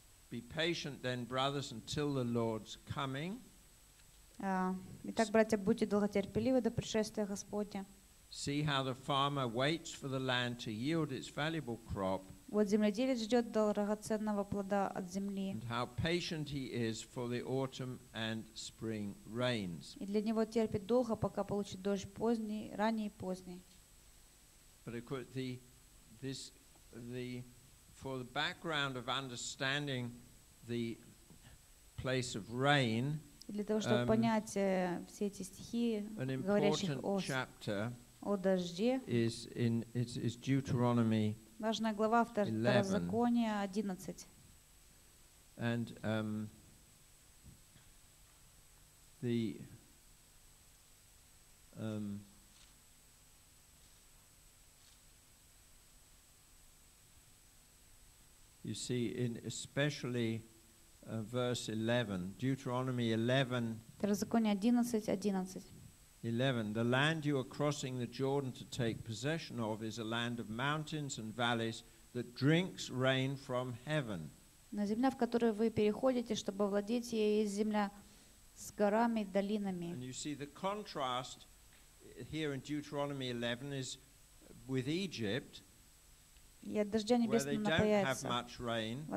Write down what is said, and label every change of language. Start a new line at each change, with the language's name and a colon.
English: be patient then, brothers, until the Lord's coming.
Russian: Итак, братья, будьте долготерпеливы до пришествия Господня.
English: See how the farmer waits for the land to yield its valuable crop.
Russian: Вот земледелец ждет драгоценного плода от земли.
English: And how patient he is for the autumn and spring rains.
Russian: И для него терпит долго, пока получит дождь поздний, ранний и поздний.
English: But of course, for the background of understanding the place of rain.
Russian: И для того, чтобы понять все эти стихи, говорящих о дожде,
English: is Deuteronomy.
Russian: Важная глава Второзакония 11.
English: And the You see, in especially verse 11, Deuteronomy 11, the land you are crossing the Jordan to take possession of is a land of mountains and valleys that drinks rain from heaven.
Russian: На земля, в которую вы переходите, чтобы владеть ею, есть земля с горами и долинами.
English: And you see the contrast here in Deuteronomy 11 is with Egypt, where they don't have much rain.